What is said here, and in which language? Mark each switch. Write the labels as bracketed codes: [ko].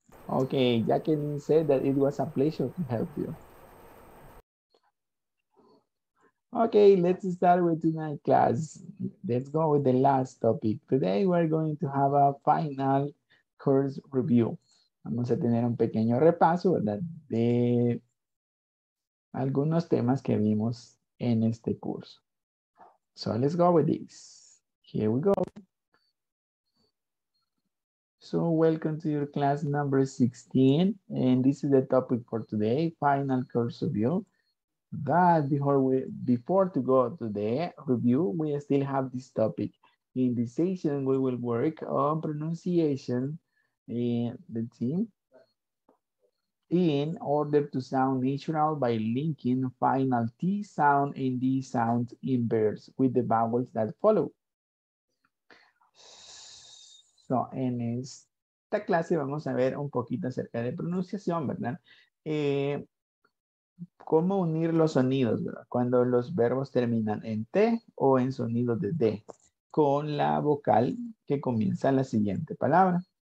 [en] Okay, Jacqueline said that it was a pleasure to help you. Okay, let's start with tonight's class. Let's go with the last topic. Today we're going to have a final course review. [es] Vamos a tener un pequeño repaso, ¿verdad? De algunos temas que vimos en este curso. [en] So let's go with this. Here we go. So welcome to your class number 16. And this is the topic for today, final course review. But before to go to the review, we still have this topic. In this session, we will work on pronunciation in the team in order to sound natural by linking final T sound and D sound in verbs with the vowels that follow. [es] So en esta clase vamos a ver un poquito acerca de pronunciación, ¿verdad? ¿Cómo unir los sonidos, ¿verdad? Cuando los verbos terminan en T o en sonido de D con la vocal que comienza la siguiente palabra?